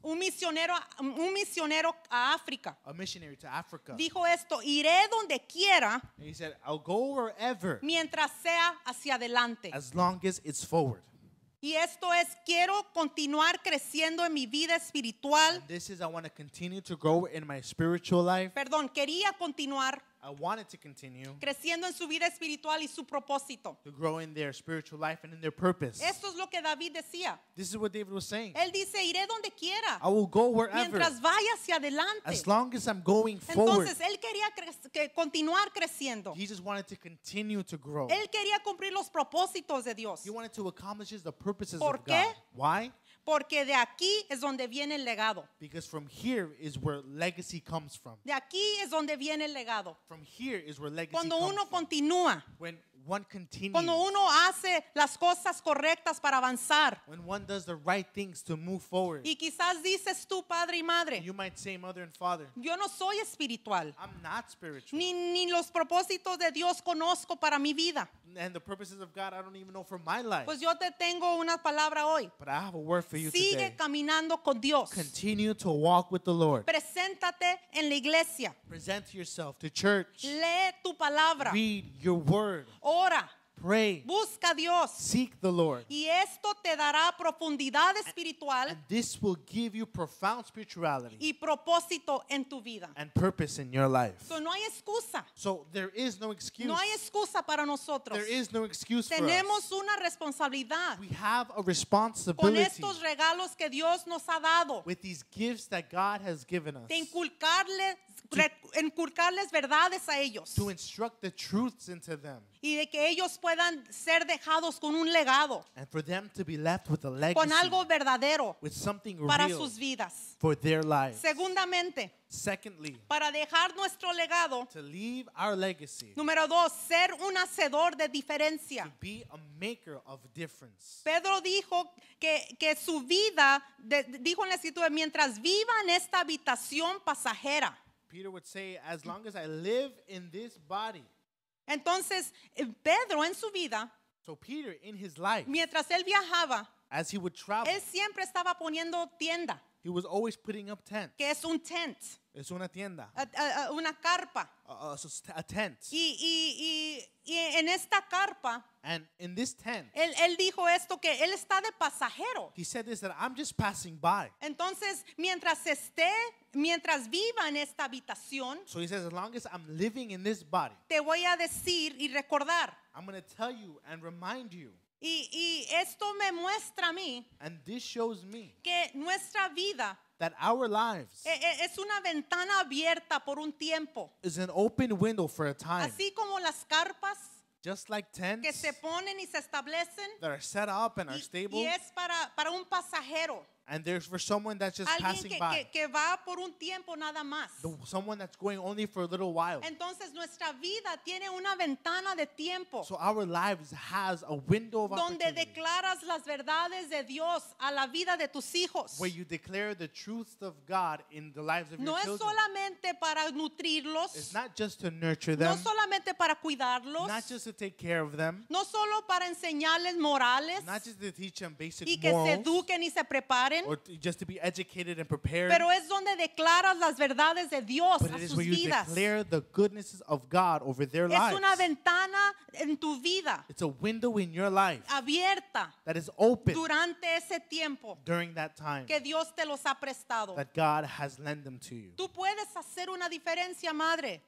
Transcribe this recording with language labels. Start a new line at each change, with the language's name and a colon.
Spanish: Un misionero a África.
English: A missionary to Africa.
Spanish: Dijo esto, iré donde quiera.
English: And he said, I'll go wherever.
Spanish: Mientras sea hacia adelante.
English: As long as it's forward.
Spanish: Y esto es, quiero continuar creciendo en mi vida espiritual.
English: And this is, I want to continue to grow in my spiritual life.
Spanish: Perdón, quería continuar creciendo.
English: I wanted to continue
Spanish: creciendo en su vida espiritual y su propósito.
English: To grow in their spiritual life and in their purpose.
Spanish: Esto es lo que David decía.
English: This is what David was saying.
Spanish: Él dice, iré donde quiera.
English: I will go wherever.
Spanish: Mientras vaya hacia adelante.
English: As long as I'm going
Spanish: Entonces,
English: forward.
Spanish: Entonces él quería continuar creciendo.
English: He just wanted to continue to grow.
Spanish: Él quería cumplir los propósitos de Dios.
English: He wanted to accomplish the purposes
Spanish: ¿Por
English: of
Spanish: qué?
English: God. Why?
Spanish: Porque de aquí es donde viene el legado.
English: Because from here is where legacy comes from.
Spanish: De aquí es donde viene el legado.
English: From here is where legacy
Spanish: Cuando uno
English: comes
Spanish: continúa.
English: From. When one continues.
Spanish: Cuando uno hace las cosas correctas para avanzar.
English: When one does the right things to move forward.
Spanish: Y quizás dices tú, padre y madre,
English: you might say, mother and father,
Spanish: yo no soy espiritual.
English: I'm not spiritual.
Spanish: Ni los propósitos de Dios conozco para mi vida.
English: And the purposes of God I don't even know for my life.
Spanish: Pues yo te tengo una palabra hoy.
English: But I have a word for you
Spanish: Sigue
English: today.
Spanish: Sigue caminando con Dios.
English: Continue to walk with the Lord.
Spanish: Preséntate en la iglesia.
English: Present yourself to church.
Spanish: Lee tu palabra.
English: Read your word.
Spanish: Ora.
English: Pray.
Spanish: Busca a Dios.
English: Seek the Lord.
Spanish: Y esto te dará profundidad espiritual.
English: And this will give you profound spirituality.
Spanish: Y propósito en tu vida.
English: And purpose in your life.
Spanish: So no hay excusa.
English: So there is no excuse.
Spanish: No hay excusa para nosotros.
English: There is no excuse
Spanish: Tenemos
English: for us.
Spanish: Tenemos una responsabilidad.
English: We have a responsibility.
Spanish: Con estos regalos que Dios nos ha dado.
English: With these gifts that God has given us.
Spanish: De inculcarle inculcarles verdades a ellos
English: to instruct the truths into them.
Spanish: Y de que ellos puedan ser dejados con un legado
English: and for them to be left with a legacy,
Spanish: con algo verdadero
English: with something
Spanish: para
English: real
Spanish: sus vidas
English: for their lives.
Spanish: Segundamente
English: Secondly,
Spanish: para dejar nuestro legado
English: to leave our legacy.
Spanish: Número dos, ser un hacedor de diferencia
English: to be a maker of difference.
Spanish: Pedro dijo que su vida dijo en la escritura mientras viva en esta habitación pasajera
English: Peter would say, as long as I live in this body.
Spanish: Entonces, Pedro en su vida.
English: So Peter, in his life.
Spanish: Mientras él viajaba.
English: As he would travel.
Spanish: Él siempre estaba poniendo tienda.
English: He was always putting up tents.
Spanish: Que es un tent. Es una tienda. Una carpa.
English: A tent.
Spanish: Y en esta carpa.
English: And in this tent.
Spanish: Él dijo esto, que él está de pasajero.
English: He said this, that I'm just passing by.
Spanish: Entonces, mientras esté. Mientras viva en esta habitación,
English: so he says, as long as I'm living in this body,
Spanish: te voy a decir y recordar.
English: I'm going to tell you and remind you.
Spanish: Y esto me muestra a mí.
English: And this shows me.
Spanish: Que nuestra vida.
English: That our lives.
Spanish: Es una ventana abierta por un tiempo.
English: Is an open window for a time.
Spanish: Así como las carpas.
English: Just like tents.
Spanish: Que se ponen y se establecen.
English: That are set up and are stable.
Spanish: Y es para un pasajero.
English: And there's for someone that's just passing by.
Spanish: Que va por un tiempo nada más.
English: Someone that's going only for a little while.
Spanish: Entonces nuestra vida tiene una ventana de tiempo.
English: So our lives has a window of opportunity.
Spanish: Donde declaras las verdades de Dios a la vida de tus hijos.
English: Where you declare the truths of God in the lives of your children.
Spanish: No es solamente para nutrirlos.
English: It's not just to nurture them.
Spanish: No solamente para cuidarlos.
English: Not just to take care of them.
Spanish: No solo para enseñarles morales.
English: Not just to teach them basic morals.
Spanish: Y que
English: morals,
Spanish: se eduquen y se preparen.
English: Or just to be educated and prepared.
Spanish: Pero es donde declaras las verdades de Dios a sus vidas.
English: But it is where you declare the goodnesses of God over their lives.
Spanish: Es una ventana en tu vida.
English: It's a window in your life.
Spanish: Abierta.
English: That is open.
Spanish: Durante ese tiempo.
English: During that time.
Spanish: Que Dios te los ha prestado.
English: That God has lent them to you.
Spanish: Tú puedes hacer una diferencia, madre.